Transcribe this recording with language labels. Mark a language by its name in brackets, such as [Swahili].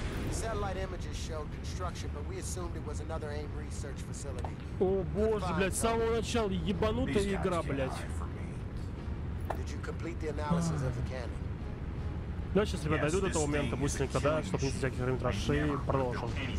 [English] Satellite images showed construction, but we assumed it was another AIM research facility. [Russian] О боже, блядь, с самого начала ебанутая игра, блядь. [English] Did you complete the analysis of the cannon? [Russian] Ну, сейчас, ребята, дойду до того момента, быстренько, да, чтобы не всякие хронометражи, и продолжим.